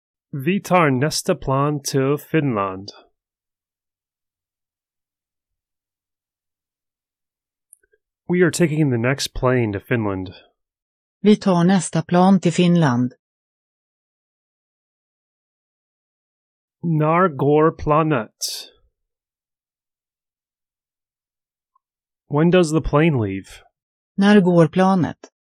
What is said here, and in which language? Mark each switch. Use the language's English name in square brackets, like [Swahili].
[Swedish] Vi tar nästa plan till Finland. [English] We are taking the next plane to Finland. [Swedish] Vi tar nästa plan till Finland. När går planet? [English] When does the plane leave? [Swedish] När går planet?